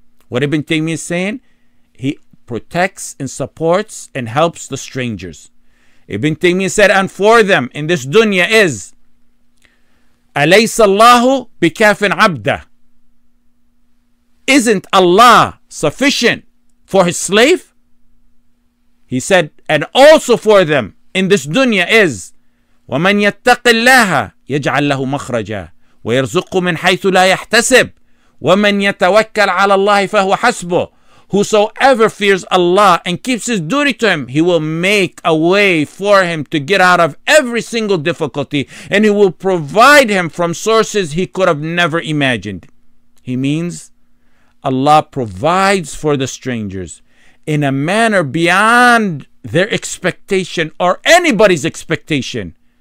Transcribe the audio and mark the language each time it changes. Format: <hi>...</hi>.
<en>What Ibn Taymiyyah is saying? He protects and supports and helps the strangers. Ibn Taymiyyah said, and for them in this dunya is,</en> <ar>أَلَيْسَ اللَّهُ بِكَافٍ عَبْدَهُ.</ar> <en>Isn't Allah sufficient for His slave? He said, and also for them in this dunya is,</en> <ar>وَمَنْ يَتَّقِ اللَّهَ يَجْعَلْ لَهُ مَخْرَجًا وَيَرْزُقُ مِنْ حَيْثُ لَا يَحْتَسِبُ وَمَنْ يَتَوَكَّلْ عَلَى اللَّهِ فَهُوَ حَسْبُهُ.</ar> <en>Whosoever fears Allah and keeps His duty to Him, He will make a way for him to get out of every single difficulty, and He will provide him from sources he could have never imagined. He means Allah provides for the strangers in a manner beyond their expectation or anybody's expectation.</en>